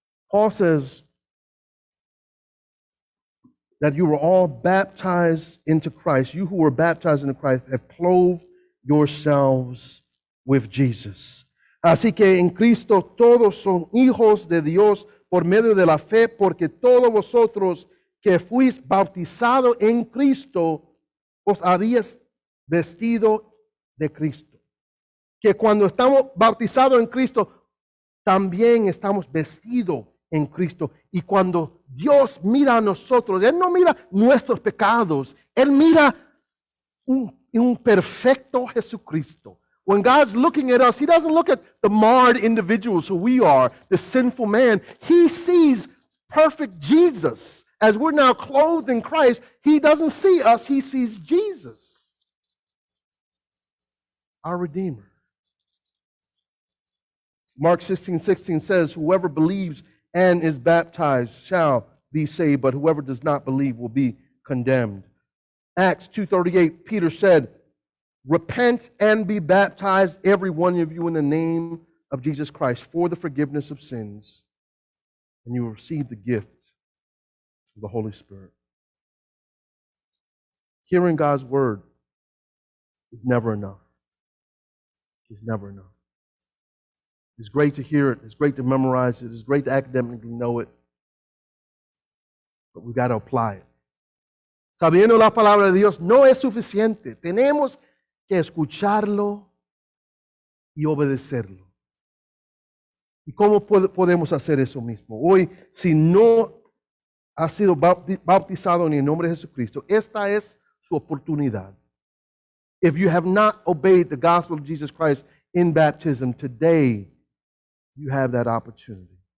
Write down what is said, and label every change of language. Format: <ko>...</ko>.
<en>Paul says that you were all baptized into Christ. You who were baptized into Christ have clothed yourselves with Jesus.</en> <es>Así que en Cristo todos son hijos de Dios por medio de la fe, porque todos vosotros que fuisteis bautizados en Cristo os habéis vestido de Cristo. Que cuando estamos bautizados en Cristo, también estamos vestidos en Cristo. Y cuando Dios mira a nosotros, Él no mira nuestros pecados, Él mira un perfecto Jesucristo.</es> <en>When God's looking at us, He doesn't look at the marred individuals who we are, the sinful man. He sees perfect Jesus. As we're now clothed in Christ, He doesn't see us, He sees Jesus. our Redeemer. Mark 16:16 says, whoever believes and is baptized shall be saved, but whoever does not believe will be condemned. Acts 2:38, Peter said, repent and be baptized, every one of you, in the name of Jesus Christ for the forgiveness of sins, and you will receive the gift of the Holy Spirit. Hearing God's word is never enough. It's never enough. It's great to hear it. It's great to memorize it. It's great to academically know it. But we've got to apply it.</en> <es>Sabiendo la palabra de Dios no es suficiente. Tenemos que escucharlo y obedecerlo. ¿Y cómo podemos hacer eso mismo? Hoy, si no has sido bautizado en el nombre de Jesucristo, esta es su oportunidad.</es> <en>If you have not obeyed the gospel of Jesus Christ in baptism, today you have that opportunity.</en>